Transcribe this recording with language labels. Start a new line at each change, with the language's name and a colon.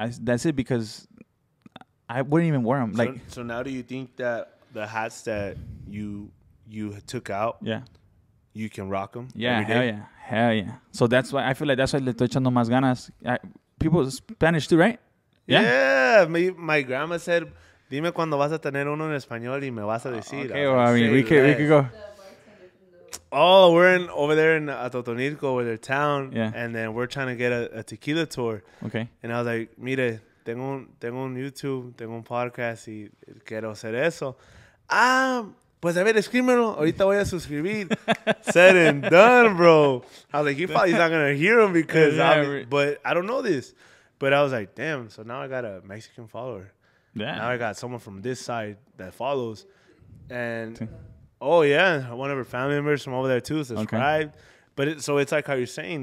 English: That's it, because I wouldn't even wear them. So, like, so now do you think that the hats that you took out, you can rock them? Yeah, hell yeah. So that's why, I feel like that's why
Spanish: le estoy echando más ganas.
English: People Spanish too, right? Yeah. My grandma said,
Spanish: dime cuando vas a tener uno en español y me vas a decir.
English: Okay, we could go... Oh, we're in over there in Atotonilco, where their town, yeah. And then we're trying to get a tequila tour. Okay. And I was like,
Spanish: mire, tengo un YouTube, tengo un podcast, y quiero hacer eso. Pues a ver, escríbelo. Ahorita voy a suscribir.
English: Said and done, bro. I was like, you probably not going to hear him because but I don't know this. But I was like, damn, so now I got a Mexican follower. Yeah. Now I got someone from this side that follows. And... Oh, yeah. One of her family members from over there, too, subscribed. Okay. But it, so it's like how you're saying.